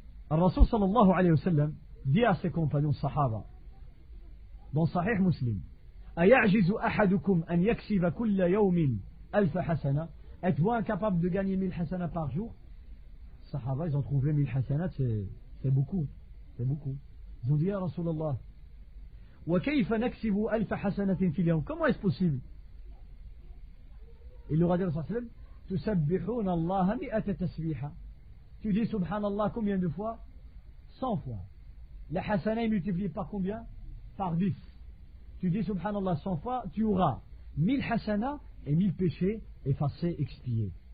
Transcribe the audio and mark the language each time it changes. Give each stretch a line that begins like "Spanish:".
French: Rasoul sallallahu alayhi wa sallam dit à ses compagnons sahaba dans Sahih Muslim,
Arabic: أَيَعْجِزُ أَحَدُكُمْ أَنْ يَكْسِبَ كُلَّ يَوْمٍ أَلْفَ حَسَنَةً.
French: Êtes-vous incapable de gagner 1000 hasanats par jour? Sahaba, ils ont trouvé 1000 hasanats, c'est beaucoup. C'est beaucoup. Ils ont dit à Rasulallah,
Arabic: وَكَيْفَ نَكْسِبُ أَلْفَ حَسَنَةٍ فِي الْيَوْمِ.
French: Comment est-ce possible? Il leur a dit, Rasoul sallam,
Arabic: تُسَبِّحُونَ اللَّهَ مِئَةَ تَسْبِحَةً.
French: Tu dis subhanallah combien de fois? 100 fois. Les hasanats multipliés par combien? Par 10. Tu dis subhanallah 100 fois, tu auras 1000 hasanats et 1000 péchés effacés, expiés.